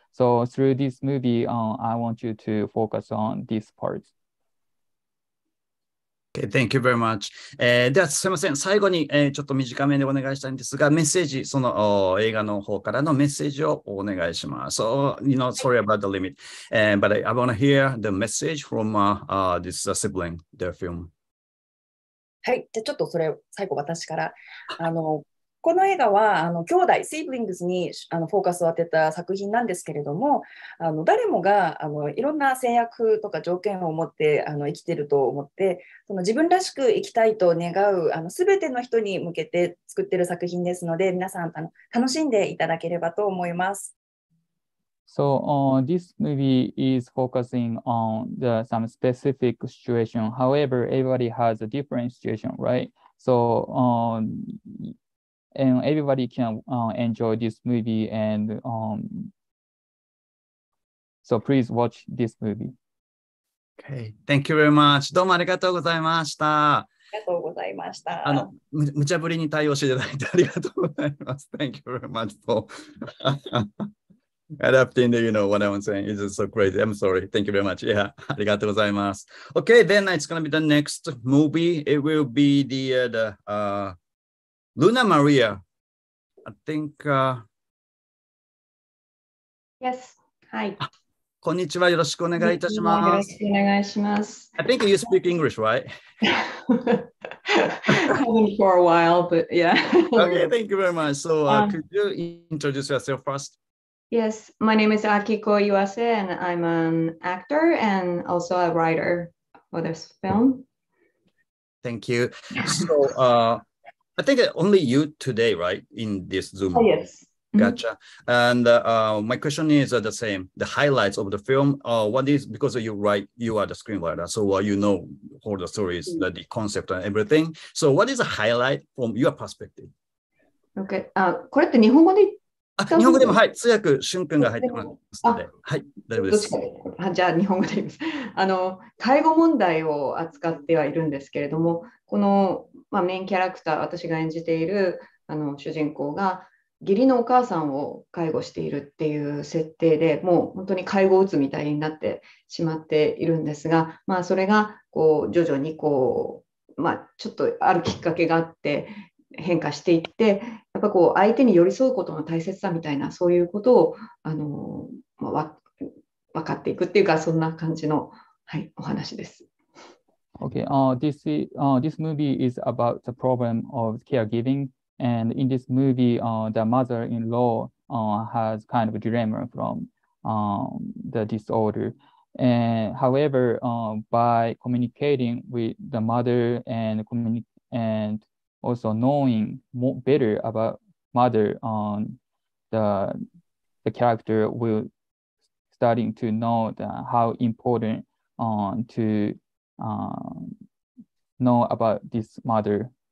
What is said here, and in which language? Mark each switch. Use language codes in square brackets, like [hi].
[en] So through this movie, I want you to focus on these parts. Okay, thank you very much. [ja] ではすみません、最後に、ちょっと短めでお願いしたいんですが、メッセージ、その映画の方からのメッセージをお願いします。 [en] So, you know, sorry about the limit. But I want to hear the message from this sibling, the film. [ja] はい、じゃあちょっとそれを最後私から、あのこの映画はあの兄弟シーブリングスにあのフォーカスを当てた作品なんですけれども、あの誰もがあのいろんな制約とか条件を持ってあの生きていると思って、その自分らしく生きたいと願うあの全ての人に向けて作っている作品ですので、皆さんあの楽しんでいただければと思います。 [en] So, this movie is focusing on some specific situation. However, everybody has a different situation, right? So, and everybody can enjoy this movie, and so please watch this movie. Okay, thank you very much. [ja] どうもありがとうございました。ありがとうございました。あの無茶ぶりに対応していただいてありがとうございます。 [en] Thank you very much for adapting the, you know, what I'm saying. It's just so crazy. I'm sorry. Thank you very much. Yeah, [ja] ありがとうございます。 [en] Okay, then it's going to be the next movie. It will be the Lunar Maria. I think... Yes, hi. [ja] こんにちは。よろしくお願いいたします。よろしくお願いします。 [en] I think you speak English, right? Only for a while, but yeah. Okay, thank you very much. So, could you introduce yourself first? Yes, my name is Akiko Iwase, and I'm an actor and also a writer for this film. Thank you. So, I think only you today, right, in this Zoom? Oh, yes. Gotcha. And my question is the same. The highlights of the film, what is, because you write, you are the screenwriter, so you know all the stories, the concept and everything. So what is a highlight from your perspective? [ja] Okay. これって日本語で言った？日本語でも、はい。通訳、しゅんくんが入ってますので。はい。大丈夫です。じゃあ、日本語で言います。介護問題を扱ってはいるんですけれども、この、まあ、メインキャラクター、私が演じている主人公が、義理のお母さんを介護しているっていう設定で、もう本当に介護うつみたいになってしまっているんですが、まあそれがこう徐々にこう、まあちょっとあるきっかけがあって変化していって、やっぱこう相手に寄り添うことの大切さみたいな、そういうことを分かっていくっていうか、そんな感じの、はい、お話です。 [en] Okay, this movie is about the problem of caregiving. And in this movie, the mother-in-law has kind of a dilemma from the disorder. And however, by communicating with the mother and also knowing more better about mother, the character will starting to know how important to know about this mother.